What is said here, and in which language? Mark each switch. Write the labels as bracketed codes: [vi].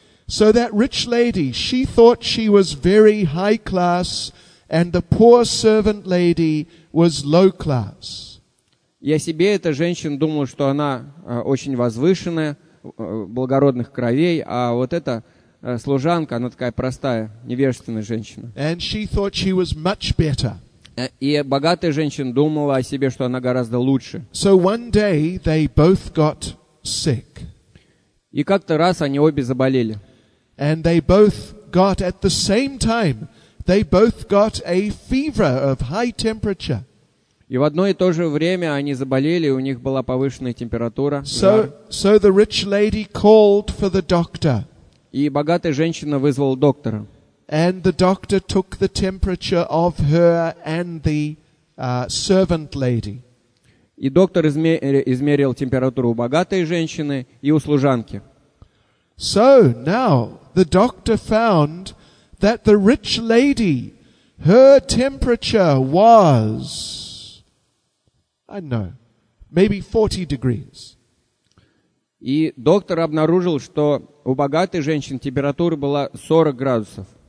[en] So that rich lady, she thought she was very high class. And the poor servant lady was low class. [ru] Я себе эта женщина думала, что она очень возвышенная, благородных кровей, а вот эта служанка, она такая простая, невежественная женщина. [en] And she thought she was much better. [ru] И богатая женщина думала о себе, что она гораздо лучше. [en] So one day they both got sick. [ru] И как-то раз они обе заболели. [en] And they both got at the same time. They both got a fever of high temperature. [ru] И в одно и то же время они заболели, у них была повышенная температура. [en] So the rich lady called for the doctor. [ru] И богатая женщина вызвала доктора. [en] And the doctor took the temperature of her and the servant lady. [ru] И доктор измерил температуру у богатой женщины и у служанки. [en] So now the doctor found that the rich lady, her temperature was, I don't know, maybe 40 degrees. [ru] И доктор обнаружил, что у богатой женщины температура была 40 градусов.